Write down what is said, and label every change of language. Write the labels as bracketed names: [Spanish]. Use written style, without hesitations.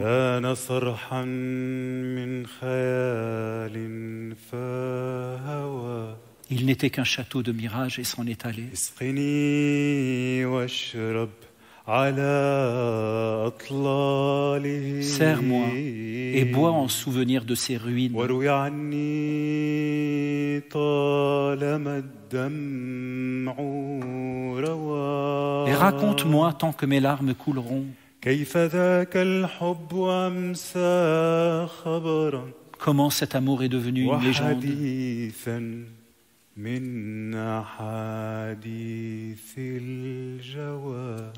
[Arabic] كان صرحا من خيال فهوى [French] Il n'était qu'un château de mirage et s'en est allé. [Arabic] اسقني واشرب على أطلاله [French] Serre-moi et bois en souvenir de ces ruines. [Arabic] وروي عني طالما الدمع روى [French] Et raconte-moi tant que mes larmes couleront. [Arabic] كيف ذاك الحب أمسى خبرا [French] Comment cet amour est devenu une légende. [Arabic] وحديثا من حديث الجوى